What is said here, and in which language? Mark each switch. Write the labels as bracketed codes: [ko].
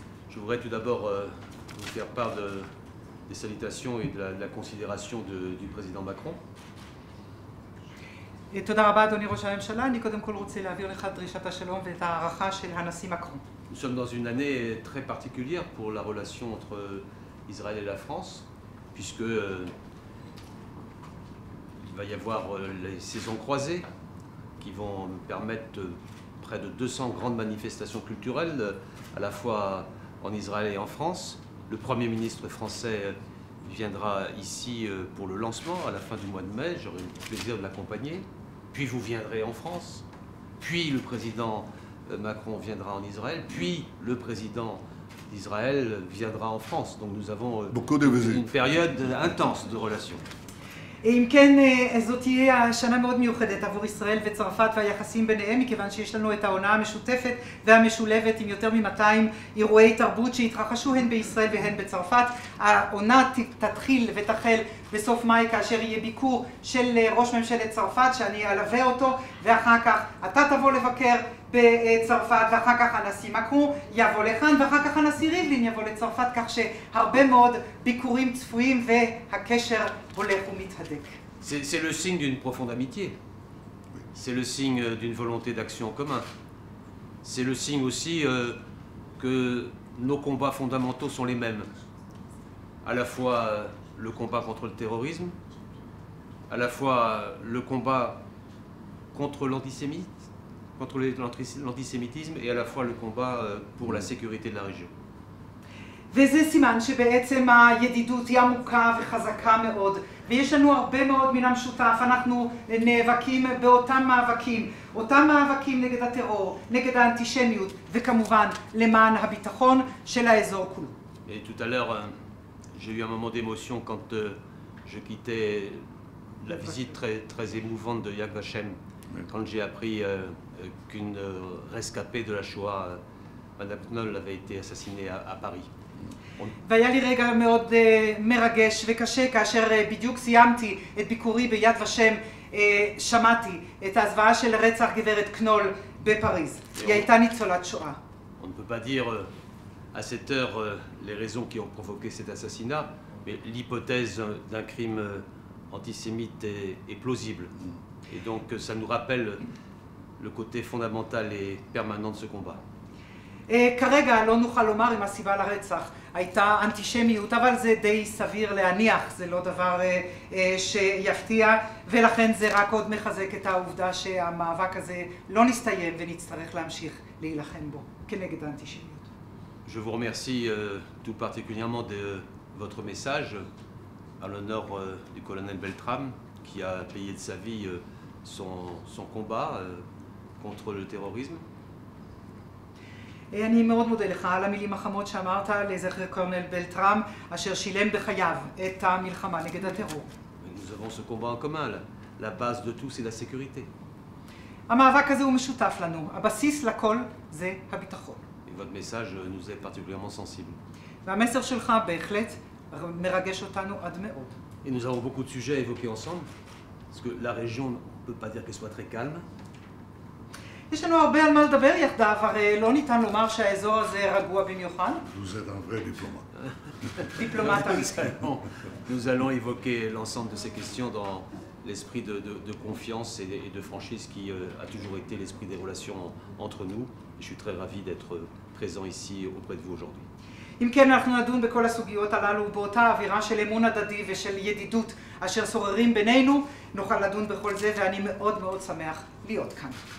[fr] Je voudrais tout d'abord vous faire part des salutations et de la considération du Président Macron. [he] תודה רבה, אדוני ראש הממשלה. אני קודם כל רוצה להעביר לך דרישת השלום ואת הערכה של הנשיא מקרון. [fr] Nous sommes dans une année très particulière pour la relation entre Israël et la France, puisque il va y avoir les saisons croisées qui vont permettre près de 200 grandes manifestations culturelles à la fois en Israël et en France. Le Premier ministre français viendra ici pour le lancement à la fin du mois de mai. J'aurai le plaisir de l'accompagner. Puis vous viendrez en France, puis le président Macron viendra en Israël, puis le président d'Israël viendra en France. Donc nous avons beaucoup de visites. Une période intense de relations. [he] Et אם כן, זו תהיה השנה מאוד מיוחדת עבור ישראל וצרפת והיחסים ביניהם, מכיוון שיש לנו את העונה המשותפת והמשולבת עם יותר מ-200 אירועי תרבות שהתרחשו הן בישראל והן בצרפת. העונה תתחיל ותחל בסוף מאי, כאשר יהיה ביקור של ראש ממשלת צרפת, שאני אלווה אותו, ואחר כך אתה תבוא לבקר בצרפת, ואחר כך הנשיא מקרון יבוא לכאן, ואחר כך הנשיא ריבלין יבוא לצרפת, כך שהרבה מאוד ביקורים צפויים והקשר הולך ומתהדק. [fr] C'est le signe d'une profonde amitié. C'est le signe d'une volonté d'action en commun. C'est le signe aussi que nos combats fondamentaux sont les mêmes. À la fois le combat contre le terrorisme, à la fois le combat contre l'antisémitisme, contre l'antisémitisme et à la fois le combat pour la sécurité de la région. [he] וזה סימן שבעצם הידידות היא עמוקה וחזקה מאוד, ויש לנו הרבה מאוד מן המשותף. אנחנו נאבקים באותם מאבקים, אותם מאבקים נגד הטרור, נגד האנטישמיות, וכמובן למען הביטחון של האזור כולו. [fr] Et tout à l'heure, j'ai eu un moment d'émotion quand je quittais la visite très, très émouvante de Yad Vashem, quand j'ai appris qu'une rescapée de la Shoah Madame Knoll avait été assassinée à Paris. [he] והיה לי רגע מאוד מרגש וקשה כאשר בדיוק סיימתי את ביקורי ביד ושם שמעתי את ההזוועה של רצח גברת קנול בפריז. היא הייתה ניצולת שואה. [fr] On ne peut pas dire à cette heure les raisons qui ont provoqué cet assassinat, mais l'hypothèse d'un crime antisémite est plausible. Et donc ça nous rappelle le côté fondamental et permanent de ce combat. [he] כרגע לא נוכל לומר אם הסיבה לרצח הייתה אנטישמיות, אבל זה די סביר להניח, זה לא דבר שיפתיע, ולכן זה רק עוד מחזק את העובדה שהמאבק הזה לא נסתיים ונצטרך להמשיך להילחם בו כנגד האנטישמיות. [fr] Je vous remercie tout particulièrement de votre message à l'honneur du colonel Beltram qui a payé de sa vie son combat contre le terrorisme. [he] אני מאוד מודה לך על המילים החמות שאמרת לזכר קורנל בלטראם אשר שילם בחייו את המלחמה נגד הטרור. [fr] Nous avons ce combat en commun, la base de tout c'est la sécurité. [he] המאבק הזה הוא משותף לנו, הבסיס לכל זה הביטחון. [fr] Et votre message nous est particulièrement sensible. [he] והמסר שלך בהחלט מרגש אותנו עד מאוד. [fr] Et nous avons beaucoup de sujets à évoquer ensemble, parce que la région ne peut pas dire qu'elle soit très calme. [he] יש לנו הרבה על מה לדבר יחדיו, הרי לא ניתן לומר שהאזור הזה רגוע במיוחד. [fr] Vous êtes un vrai diplomate. Diplomate. Nous allons évoquer l'ensemble de ces questions dans l'esprit de confiance et de franchise qui a toujours été l'esprit des relations entre nous. Je suis très ravi d'être présent ici auprès de vous aujourd'hui. [he] אם כן, אנחנו נדון בכל הסוגיות הללו באותה אווירה של אמון הדדי ושל ידידות אשר שוררים בינינו, נוכל לדון בכל זה, ואני מאוד מאוד שמח להיות כאן.